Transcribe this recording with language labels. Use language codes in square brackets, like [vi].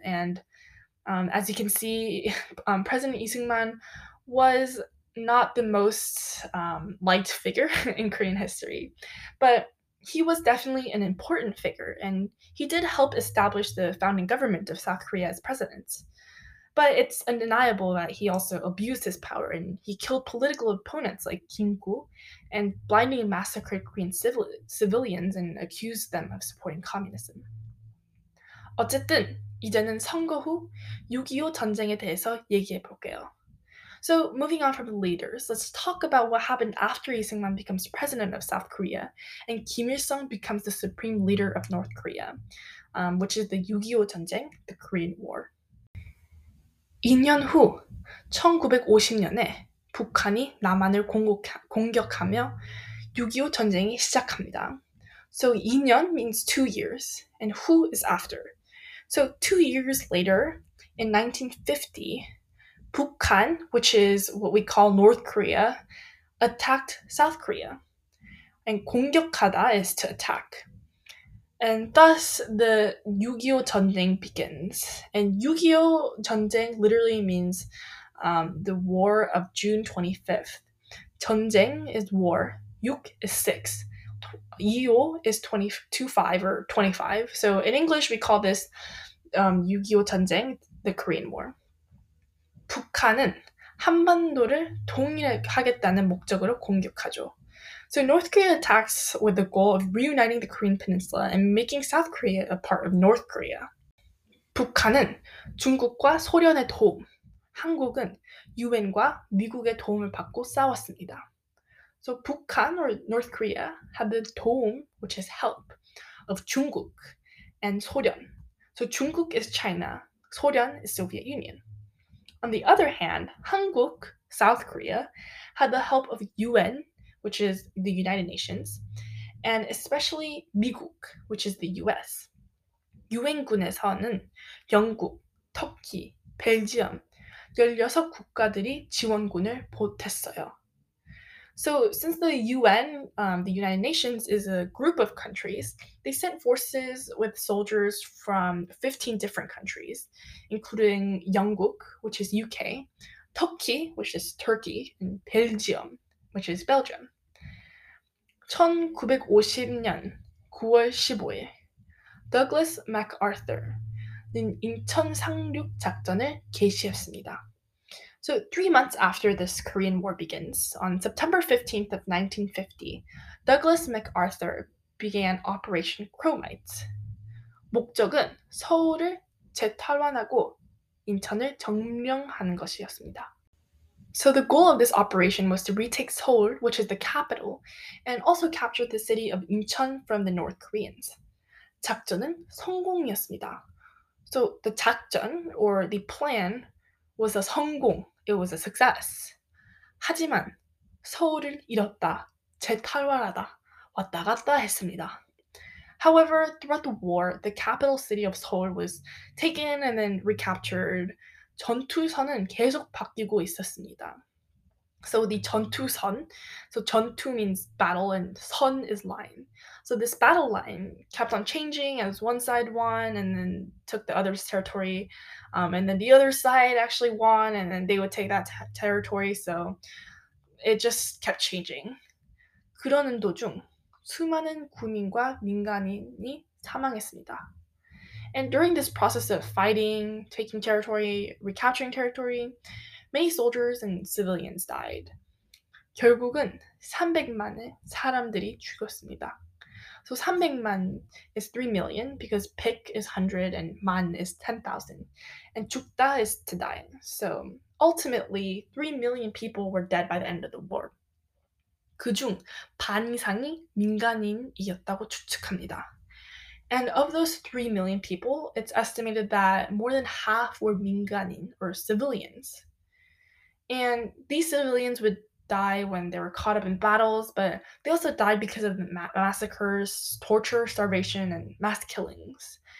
[en] And as you can see, President Lee Seung-man was not the most liked figure in Korean history, but he was definitely an important figure, and he did help establish the founding government of South Korea as president. But it's undeniable that he also abused his power, and he killed political opponents like Kim Gu, and blindly massacred Korean civilians and accused them of supporting communism. [ko] 어쨌든 이제는 선거 후 6.25 전쟁에 대해서 얘기해 볼게요. [en] So moving on from the leaders, let's talk about what happened after Lee Seung-man becomes president of South Korea and Kim Il-sung becomes the supreme leader of North Korea, which is the 6.25 전쟁, the Korean War. [ko] 2년 후, 1950년에 북한이 남한을 공격하며 6.25 전쟁이 시작합니다. [en] So 2년 means 2 years, and 후 is after. So 2 years later, in 1950, 북한, which is what we call North Korea, attacked South Korea. And 공격하다 is to attack. And thus, the 6.25 전쟁 begins. And 6.25 전쟁 literally means the war of June 25th. 전쟁 is war. 6 is 6. 2.25 is 25 or 25. So in English, we call this 6.25 전쟁, the Korean War. [ko] 북한은 한반도를 통일하겠다는 목적으로 공격하죠. [en] So North Korea attacks with the goal of reuniting the Korean Peninsula and making South Korea a part of North Korea. [ko] 북한은 중국과 소련의 도움, 한국은 UN과 미국의 도움을 받고 싸웠습니다. [en] So 북한 or North Korea had the 도움, which is help, of 중국 and 소련. So 중국 is China, 소련 is Soviet Union. On the other hand, 한국, South Korea, had the help of UN, which is the United Nations, and especially 미국, which is the US. [ko] UN군에서는 영국, 터키, 벨지엄, 16 국가들이 지원군을 보탰어요. [en] So since the UN, the United Nations, is a group of countries, they sent forces with soldiers from 15 different countries, including 영국, which is UK, 터키, which is Turkey, and 벨지엄, which is Belgium. [ko] 1950년 9월 15일, Douglas MacArthur는 인천 상륙 작전을 개시했습니다. [en] So 3 months after this Korean War begins, on September 15th of 1950, Douglas MacArthur began Operation Chromite. [ko] 목적은 서울을 재탈환하고 인천을 점령하는 것이었습니다. [en] So the goal of this operation was to retake Seoul, which is the capital, and also capture the city of Incheon from the North Koreans. [ko] 작전은 성공이었습니다. [en] So the 작전, or the plan, was a 성공. It was a success. [ko] 하지만 서울을 잃었다, 재탈환하다, 왔다 갔다 했습니다. [en] However, throughout the war, the capital city of Seoul was taken and then recaptured. [ko] 전투선은 계속 바뀌고 있었습니다. [en] So the 전투선, so 전투 means battle and 선 is line. So this battle line kept on changing as one side won and then took the other's territory. And then the other side actually won and then they would take that territory. So it just kept changing. [ko] 그러는 도중 수많은 군인과 민간인이 사망했습니다. [en] And during this process of fighting, taking territory, recapturing territory, many soldiers and civilians died. [ko] 결국은 300만의 사람들이 죽었습니다. [en] So 300만 is 3 million because 백 is 100 and 만 is 10,000. And 죽다 is to die. So ultimately, 3 million people were dead by the end of the war. [ko] 그중 반 이상이 민간인이었다고 추측합니다. [en] And of those 3 million people, it's estimated that more than half were 민간인, or civilians. And these civilians would die when they were caught up in battles, but they also died because of massacres, torture, starvation, and mass killings.